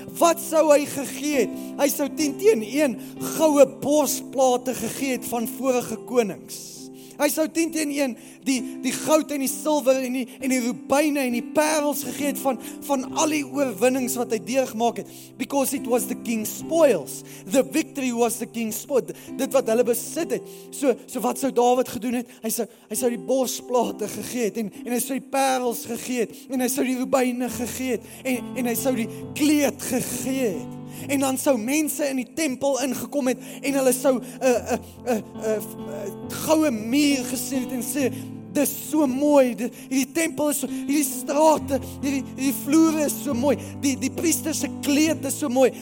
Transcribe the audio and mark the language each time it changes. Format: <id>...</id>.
<af>Wat sou hy gegee het? Hy sou 10 teen 1 goue borsplate gegee het van vorige konings. Hy sou 10 teen 1 die goud en die silwer en die rubyne en die parels gegee het van al die oorwinnings wat hy deurgemaak het.</af> <en>Because it was the king's spoils. The victory was the king's spoil.</en> <af>Dit wat hulle besit het. So wat sou Dawid gedoen het? Hy sou die borsplate gegee het en hy sou die parels gegee het en hy sou die rubyne gegee het en hy sou die kleed gegee het. En dan sou mense in die tempel ingekom het en hulle sou 'n goue muur gesien het en sê, dis so mooi, hierdie tempel is so, hierdie strate, hierdie vloere is so mooi, die priesterse kleed is so mooi.</af>